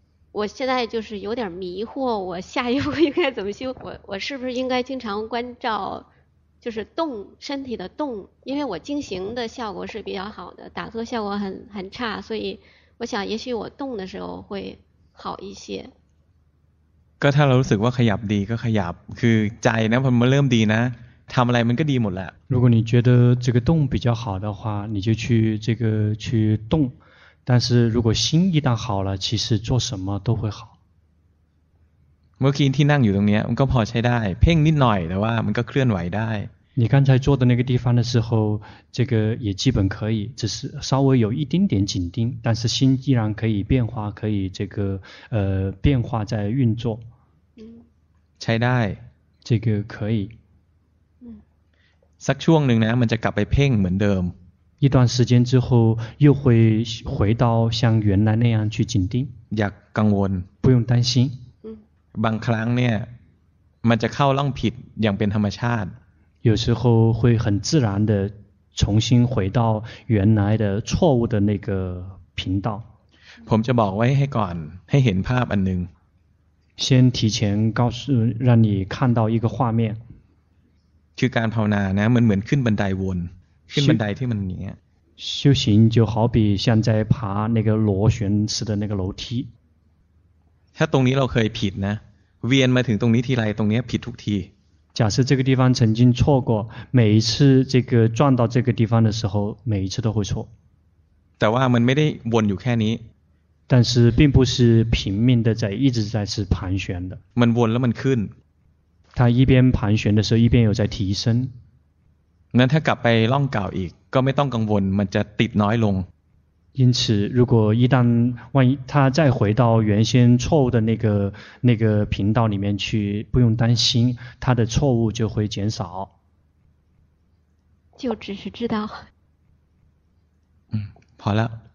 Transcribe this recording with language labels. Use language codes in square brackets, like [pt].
[zh] 我现在就是有点迷惑我下一步应该怎么修我是不是应该经常关照就是动身体的动因为我静行的效果是比较好的打坐效果很差所以我想也许我动的时候会好一些 [th] ก็ถ้าเรารู้สึกว่าขยับดีก็ขยับคือใจนะพอมันเริ่มดีนะทำอะไรมันก็ดีหมดแหละ [zh] 如果你觉得这个动比较好的话你就去这个去动但是如果心一旦好了其实做什么都会好 [th] เมื่อกี้ที่นั่งอยู่ตรงนี้มันก็พอใช้ได้เพ่งนิดหน่อยแต่ว่ามันก็เคลื่อนไหวได้ [zh] 你刚才坐的那个地方的时候这个也基本可以只是稍微有一丁点紧盯但是心依然可以变化可以这个变化在运作 [th] ใช้ได้ [zh] 这个可以 [th] สักช่วงหนึ่งนะมันจะกลับไปเพ่งเหมือนเดิม [zh] 一段时间之后又会回到像原来那样去紧盯 [th] อย่ากังวล [zh] 不用担心 [th] บางครั้งเนี่ยมันจะเข้าล่องผิดอย่างเป็นธรรมชาติ [zh] 有时候会很自然的重新回到原来的错误的那个频道 [th] ผมจะบอกไว้ให้ก่อนให้เห็นภาพอันหนึ่ง [zh] 先提前告诉让你看到一个画面 [th] คือการภาวนานะเหมือนขึ้นบันไดวนขึ้นบันไดที่มันเนี้ย [zh] 修行就好比像在爬那个螺旋式的那个楼梯 [th] ถ้าตรงนี้เราเคยผิดนะเวียนมาถึงตรงนี้ทีไรตรงนี้ผิดทุกที [zh] 假设这个地方曾经错过每一次这个转到这个地方的时候每一次都会错 [th] แต่ว่ามันไม่ได้วนอยู่แค่นี้ [zh] 但是并不是平面的在一直在是盘旋的 [th] มันวนแล้วมันขึ้น [zh] 它一边盘旋的时候一边有在提升 [th] งั้นถ้ากลับไปล่องเก่าอีกก็ไม่ต้องกังวลมันจะติดน้อยลง [zh] 因此如果一旦万一他再回到原先错误的那个频道里面去不用担心他的错误就会减少就只是知道好了